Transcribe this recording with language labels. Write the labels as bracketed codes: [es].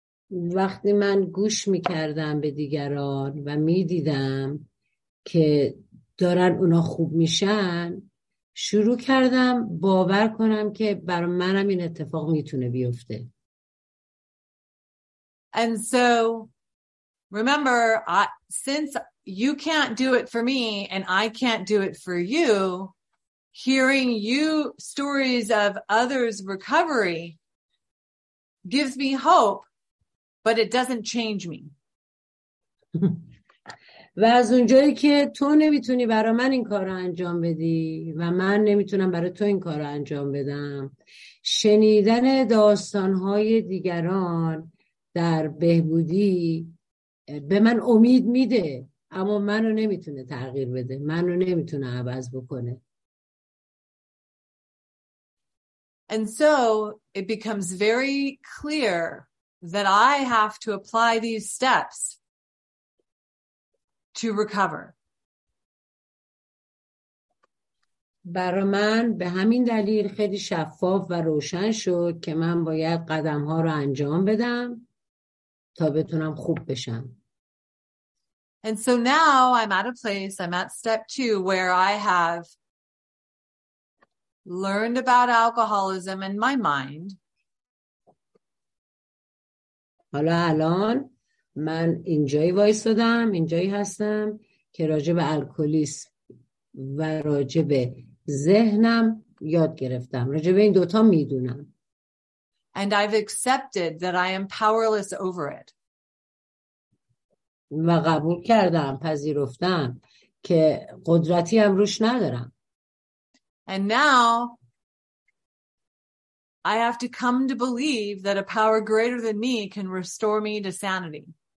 [fa] وقتی من گوش میکردم به دیگران و میدیدم که دارن اونا خوب میشن، شروع کردم باور کنم که بر منم این اتفاق میتونه بیفته. [en] And so remember, since you can't do it for me and I can't do it for you, hearing you stories of others' recovery gives me hope. But it doesn't change me. [fa] و از اونجایی که تو نمیتونی برای من این کار رو انجام بدی و من نمیتونم برای تو این کار رو انجام بدم، شنیدن داستانهای دیگران در بهبودی به من امید میده، اما منو نمیتونه تغییر بده، منو نمیتونه عوض بکنه. [en] And so it becomes very clear that I have to apply these steps to recover. [fa] برای من به همین دلیل خیلی شفاف و روشن شد که من باید قدم‌ها رو انجام بدم تا بتونم خوب بشم. [en] And so now I'm at a place, I'm at step two, where I have learned about alcoholism and my mind. [fa] حالا الان من اینجایی وایستادم، اینجایی هستم که راجع به الکلیسم و راجع به ذهنم یاد گرفتم. راجع به این دوتا میدونم. [en] And I've accepted that I am powerless over it. [fa] و قبول کردم، پذیرفتم که قدرتی هم روش ندارم. [en] And now I have to come to believe that a power greater than me can restore me to sanity.